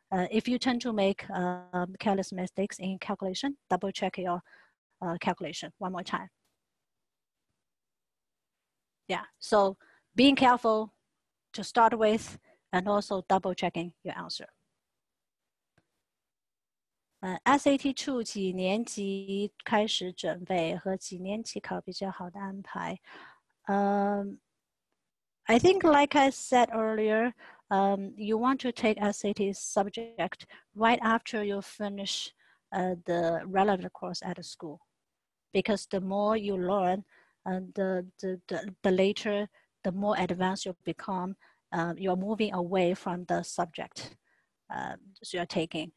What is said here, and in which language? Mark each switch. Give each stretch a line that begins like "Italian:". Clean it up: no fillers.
English: If you tend to make careless mistakes in calculation, double check your calculation one more time. Yeah, so being careful to start with and also double checking your answer.
Chinese: SAT 初几年级开始准备和几年级考比较好的安排?
English: I think like I said earlier, you want to take SAT subject right after you finish the relevant course at school. Because the more you learn, and the later, the more advanced you become, you're moving away from the subject so you're taking.